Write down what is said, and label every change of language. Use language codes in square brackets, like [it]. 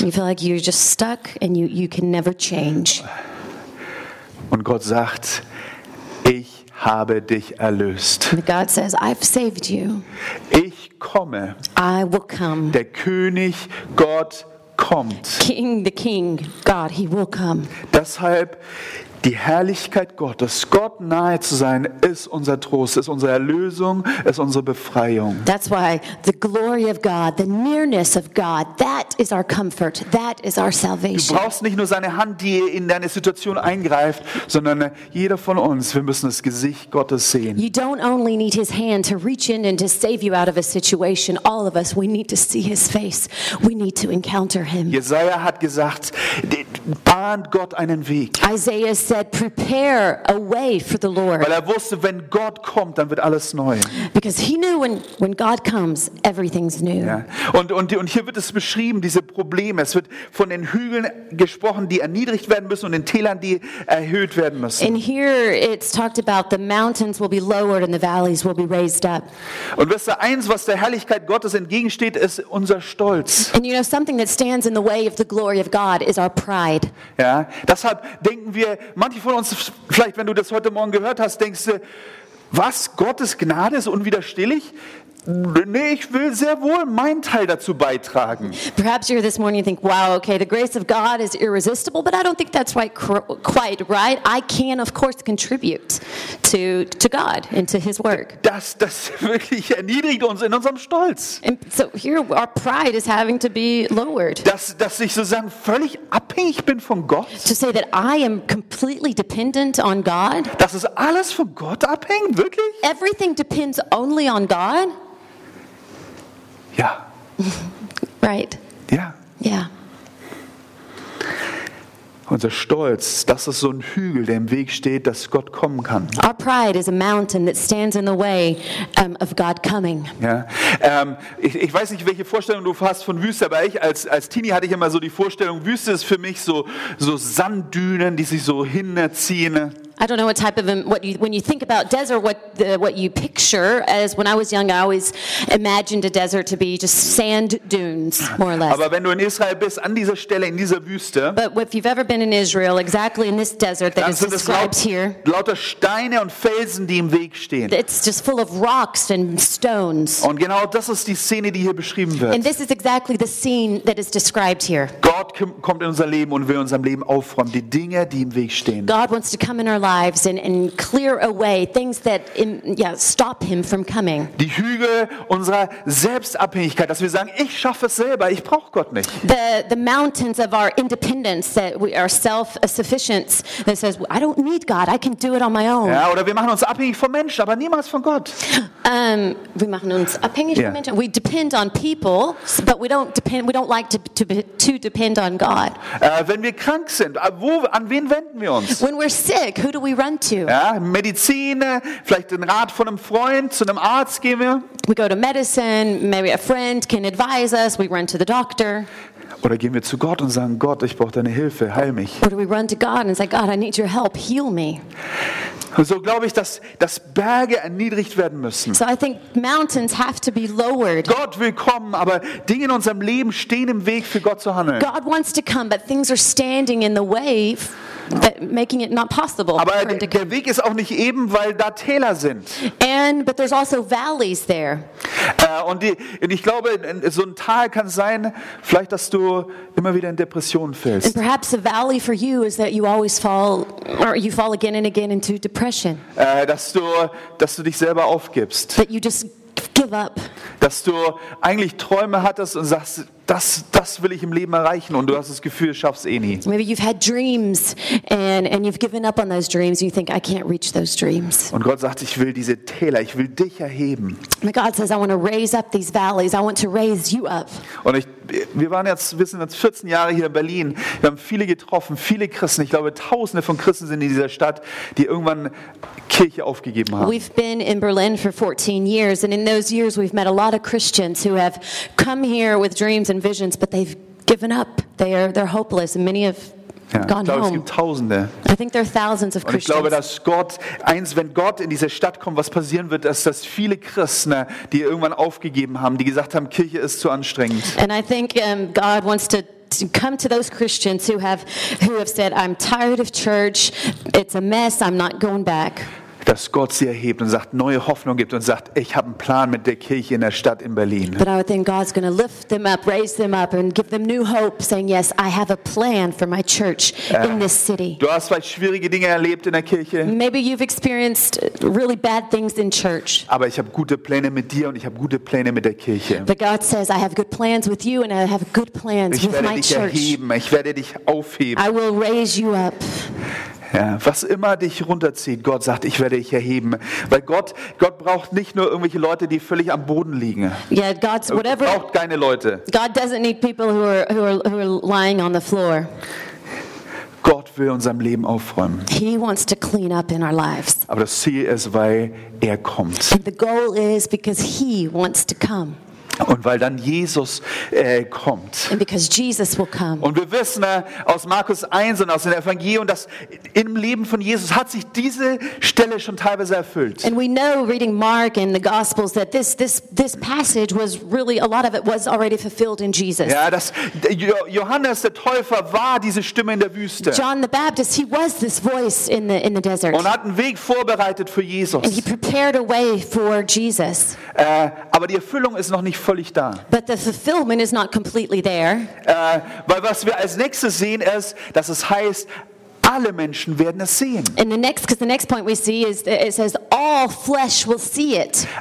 [en] You feel like you're just stuck and you can never change. [de] Und Gott sagt, ich habe dich erlöst. [en] And God says, I've saved you. [de] Ich komme. [en] I will come. [de] Der König Gott kommt. [en] King, the King, God, he will come. [de] Deshalb die Herrlichkeit Gottes, Gott nahe zu sein, ist unser Trost, ist unsere Erlösung, ist unsere Befreiung. [en] That's why the glory of God, the nearness of God, that is our comfort, that is our salvation. [de] Du brauchst nicht nur seine Hand, die in deine Situation eingreift, sondern jeder von uns, wir müssen das Gesicht Gottes sehen. [en] You don't only need his hand to reach in and to save you out of a situation. All of us, we need to see his face. We need to encounter him. [de] Jesaja hat gesagt, bahnt Gott einen Weg. [en] Isaiah said, prepare a way for the Lord. [de] Weil wusste, wenn Gott kommt, dann wird alles neu. [en] Because he knew when God comes, everything's new. [de] Ja. Und hier wird es beschrieben, diese Probleme. Es wird von den Hügeln gesprochen, die erniedrigt werden müssen, und den Tälern, die erhöht werden müssen. [en] And here it's talked about the mountains will be lowered and the valleys will be raised up. [de] Und wisst ihr, eins, was der Herrlichkeit Gottes entgegensteht, ist unser Stolz. [en] And you know, something that stands in the way of the glory of God is our pride. [de] Ja. Deshalb denken wir, manche von uns, vielleicht wenn du das heute Morgen gehört hast, denkst du, was, Gottes Gnade ist unwiderstehlich? Nee, ich will sehr wohl meinen Teil dazu beitragen. [en] Perhaps you're this morning, you think, wow, okay, the grace of God is irresistible, but I don't think that's quite right. I can, of course, contribute to God and to his work. [de] Das wirklich erniedrigt uns in unserem Stolz. [en] And so here, our pride is having to be lowered. [de] Dass ich sozusagen völlig abhängig bin von Gott. [en] To say that I am completely dependent on God. [de] Dass es alles von Gott abhängt, wirklich? [en] Everything depends only on God. [de] Ja. [en] Right. [de] Ja. Ja. Unser Stolz, das ist so ein Hügel, der im Weg steht, dass Gott kommen kann. [en] Our pride is a mountain that stands in the way of God coming. [de] Ja, ich weiß nicht, welche Vorstellung du hast von Wüste, aber ich als Teenie hatte ich immer so die Vorstellung, Wüste ist für mich so Sanddünen, die sich so hinziehen. [en] I don't know what type of when you think about desert, what you picture as when I was young, I always imagined a desert to be just sand dunes, more or less. [de] Aber wenn du in Israel bist, an dieser Stelle, in dieser Wüste, [en] but if you've ever been in Israel, exactly in this desert that is described here, [de] lauter Steine und Felsen, die im Weg stehen. [en] It's just full of rocks and stones. [de] Und genau das ist die Szene, die hier beschrieben wird. [en] And this is exactly the scene that is described here. [de] Gott kommt in unser Leben und will unserem Leben aufräumen, die Dinge, die im Weg stehen. [en] God wants to come in our lives and clear away things that stop him from coming. [de] Die Hügel unserer Selbstabhängigkeit, dass wir sagen, ich schaffe es selber, ich brauche Gott nicht. [en] The mountains of our independence, that we are self-sufficiency, that says I don't need God, I can do it on my own. [de] Ja, oder wir machen uns abhängig von Menschen, aber niemals von Gott. Wir machen uns abhängig von Menschen. [en] We depend on people, but we don't like to depend on God. [de] Wenn wir krank sind, an wen wenden wir uns? [en] When we're sick, who do we run to? [de] Ja, Medizin, vielleicht den Rat von einem Freund, zu einem Arzt gehen wir. [en] We go to medicine, maybe a friend can advise us, we run to the doctor. [de] Oder gehen wir zu Gott und sagen, Gott, ich brauche deine Hilfe, heil mich. [en] Or do we run to God and say, God, I need your help, heal me. [de] Und so glaube ich, dass Berge erniedrigt werden müssen. [en] So I think mountains have to be lowered. [de] Gott will kommen, aber Dinge in unserem Leben stehen im Weg, für Gott zu handeln. [en] God wants to come, but things are standing in the way, but making it not possible. [de] Aber der Weg ist auch nicht eben, weil da Täler sind. [en] But there's also valleys there. [de] Und ich glaube, so ein Tal kann sein, vielleicht, dass du immer wieder in Depressionen fällst. [en] And perhaps a valley for you is that you always fall, or you fall again and again into depression. [de] Dass du dich selber aufgibst. [en] That you just give up. [de] Dass du eigentlich Träume hattest und sagst, das will ich im Leben erreichen, und du hast das Gefühl, schaffst eh nie. [en] Maybe you've had dreams and you've given up on those dreams. You think I can't reach those dreams. [de] Und Gott sagt, ich will diese Täler, ich will dich erheben. [en] And God says, I want to raise up these valleys. I want to raise you up. [de] Und wir sind jetzt 14 Jahre hier in Berlin. Wir haben viele getroffen, viele Christen. Ich glaube, Tausende von Christen sind in dieser Stadt, die irgendwann Kirche aufgegeben haben. [en] We've been in Berlin for 14 years, and in those years we've met a lot of Christians who have come here with dreams and visions, but they've given up. They're hopeless, and many have gone home. [de] Ich glaube, es gibt Tausende. [en] I think there are thousands of Christians. [de] Ich glaube, dass wenn Gott in diese Stadt kommt, was passieren wird, ist, dass viele Christen, die irgendwann aufgegeben haben, die gesagt haben, Kirche ist zu anstrengend. [en] And I think God wants to come to those Christians who have said, I'm tired of church, it's a mess, I'm not going back. [de] Dass Gott sie erhebt und sagt, neue Hoffnung gibt und sagt, ich habe einen Plan mit der Kirche in der Stadt in Berlin. [en] But I think God's going to lift them up, raise them up and give them new hope, saying, yes, I have a plan for my church in this city. [de] Du hast vielleicht schwierige Dinge erlebt in der Kirche. [en] Maybe you've experienced really bad things in church. [de] Aber ich habe gute Pläne mit dir und ich habe gute Pläne mit der Kirche. [en] But God says, I have good plans with you and I have good plans with my church. [de] Ich werde dich erheben, ich werde dich aufheben. [en] I will raise you up. [de] Ja, was immer dich runterzieht, Gott sagt, ich werde dich erheben. Weil Gott braucht nicht nur irgendwelche Leute, die völlig am Boden liegen. [en] Yeah, God's whatever, [de] er braucht keine Leute. [en] God doesn't need people who are lying on the floor. [de] Gott will unserem Leben aufräumen. [en] He wants to clean up in our lives. [de] Aber das Ziel ist, weil er kommt. [en] And the goal is because he wants to come. [de] Und weil dann Jesus kommt. [en] And because Jesus will come. [de] Und wir wissen aus Markus 1 und aus dem Evangelium, dass im Leben von Jesus hat sich diese Stelle schon teilweise erfüllt. [en] And we know reading Mark and the Gospels that this passage was really a lot of it was already fulfilled in Jesus. [de] Ja, dass Johannes der Täufer war diese Stimme in der Wüste. [en] John the Baptist, he was this voice in the desert. [de] Und hat einen Weg vorbereitet für Jesus. [en] And he prepared a way for Jesus. [de] Aber die Erfüllung ist noch nicht völlig da. [en] But the fulfillment is not completely there. [de] Weil was wir als nächstes sehen ist, dass es heißt, alle Menschen werden es sehen. [en] And the next point we see is that it says all flesh will see it.